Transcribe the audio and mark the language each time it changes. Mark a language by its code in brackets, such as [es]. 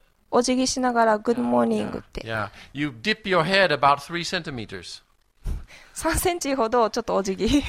[ja] お辞儀しながらグッドモーニングって。 Yeah, yeah. [en] You dip your head about 3 centimeters. [ja] 3センチほどちょっとお辞儀。